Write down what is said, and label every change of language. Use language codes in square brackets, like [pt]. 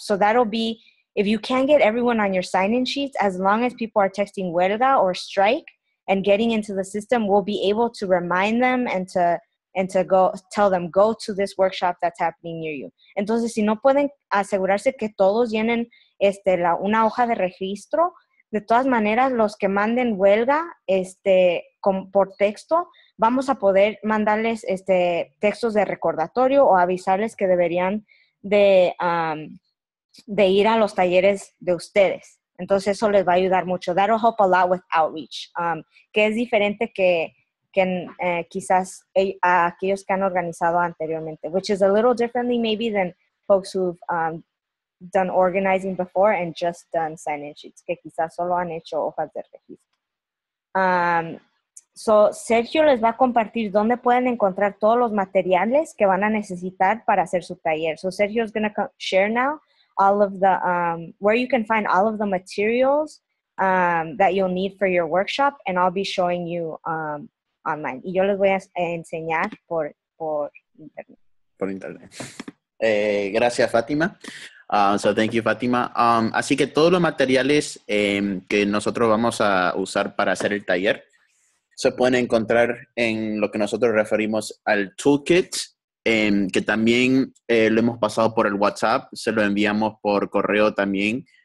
[en] So that'll be, if you can get everyone on your sign-in sheets, as long as people are texting huelga or strike, and getting into the system, we'll be able to remind them and to go tell them, go to this workshop that's happening near you. [es] Entonces, si no pueden asegurarse que todos llenen una hoja de registro, De todas maneras, los que manden huelga por texto, vamos a poder mandarles textos de recordatorio o avisarles que deberían de ir a los talleres de ustedes. Entonces, eso les va a ayudar mucho. [en] That'll help a lot with outreach, [es] que es diferente que quizás aquellos que han organizado anteriormente, [en] which is a little differently maybe than folks who've done organizing before and just done sign-in sheets, [es] que quizás solo han hecho hojas de registro. So, Sergio les va a compartir dónde pueden encontrar todos los materiales que van a necesitar para hacer su taller. [en] So, Sergio is going to share now all of the, where you can find all of the materials that you'll need for your workshop, and I'll be showing you online. [es] Y yo les voy a enseñar por internet. Por internet. Gracias, Fátima. [en] So thank you, [es] Fátima. Así que todos los materiales que nosotros vamos a usar para hacer el taller se pueden encontrar en lo que nosotros referimos al toolkit, que también lo hemos pasado por el WhatsApp, se lo enviamos por correo también.